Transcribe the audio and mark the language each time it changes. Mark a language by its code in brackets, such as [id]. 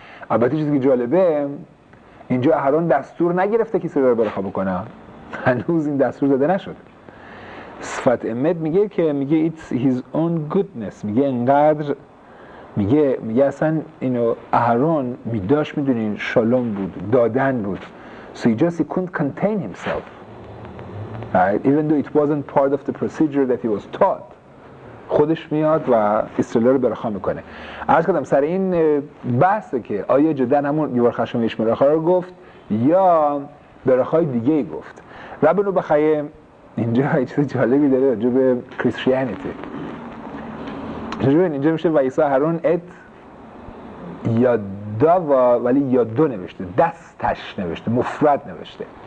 [fa] البته چیزی که جالبه اینجا هارون دستور نگرفته که سلاله برخا بکنه، هنوز این دستور زده نشد. صفت امد میگه که میگه [en] it's his own goodness، [fa] میگه انقدر میگه اصلا اینو اهرون میداش، میدونین شالوم بود، دادن بود. [en] So he just couldn't contain himself right? even though it wasn't part of the procedure that he was taught، [fa] خودش میاد و اسرائیل رو برخا میکنه. عرض کردم سر این بحثه که آیا جدن همون یوار خشم ایشمراخا رو گفت یا برخای دیگه گفت. ربنو بخیه اینجا یه چیز جالبی داره راجع به کریستیانیتی. اینجا میشه ویسا هارون ات یاداو، ولی یادو نوشته، دستش نوشته، مفرد نوشته.